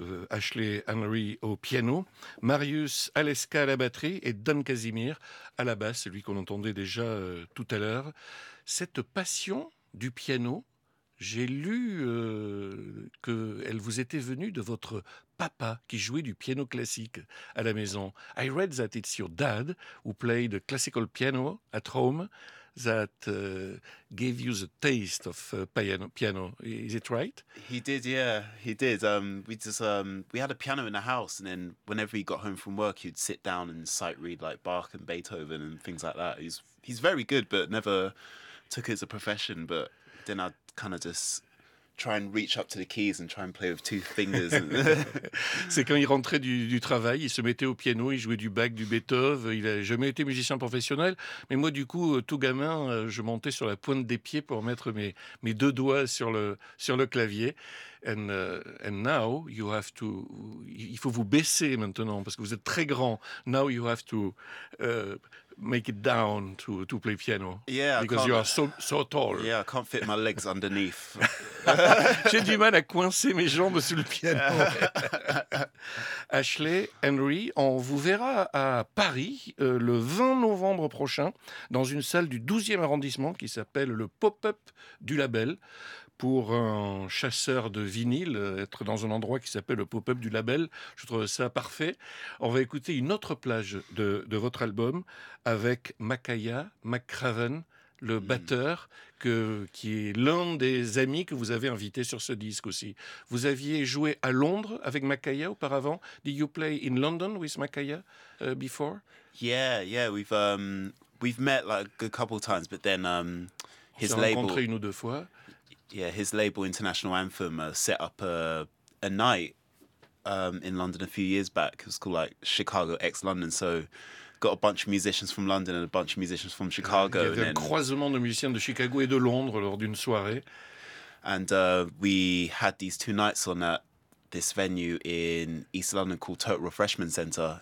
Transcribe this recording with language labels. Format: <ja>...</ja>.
<fr>Ashley Henry au piano, Marius Aleska à la batterie et Don Casimir à la basse, celui qu'on entendait déjà tout à l'heure. Cette passion du piano, j'ai lu qu'elle vous était venue de votre papa qui jouait du piano classique à la maison.</fr> <en>I read that it's your dad who played a classical piano at home that gave you the taste of piano. Is it right? He did, yeah, he did. We had a piano in the house, and then whenever he got home from work, he'd sit down and sight read like Bach and Beethoven and things like that. He's very good, but never took it as a profession. But then I'd kind of just try and reach up to the keys and try and play with two fingers.</en> <fr>C'est quand il rentrait du travail, il se mettait au piano, il jouait du Bach, du Beethoven. Il n'avait jamais été musicien professionnel. Mais moi, du coup, tout gamin, je montais sur la pointe des pieds pour mettre mes deux doigts sur le clavier.</fr> <en>And now you have to.</en> <fr>Il faut vous baisser maintenant parce que vous êtes très grand.</fr> <en>Now you have to make it down to play piano. Yeah, because you are so tall. Yeah, I can't fit my legs underneath.</en> <fr>J'ai du mal à coincer mes jambes sous le piano. Ashley Henry, on vous verra à Paris le 20 novembre prochain dans une salle du 12e arrondissement qui s'appelle le Pop-up du Label. Pour un chasseur de vinyle, être dans un endroit qui s'appelle le Pop-up du Label, je trouve ça parfait. On va écouter une autre plage de votre album avec Makaya McCraven, le batteur, qui est l'un des amis que vous avez invité sur ce disque aussi. Vous aviez joué à Londres avec Makaya auparavant.</fr> <en>Did you play in London with Makaya before? Yeah, we've met like a couple of times, but then his</en> <fr>label. On s'est rencontré une ou deux fois.</fr> <en>Yeah, his label, International Anthem, set up a night in London a few years back. It was called like Chicago X London. So got a bunch of musicians from London and a bunch of musicians from Chicago.</en> <fr>Il y avait un croisement de musiciens de Chicago et de Londres lors d'une soirée.</fr> <en>And we had these two nights on at this venue in East London called Total Refreshment Centre.</en>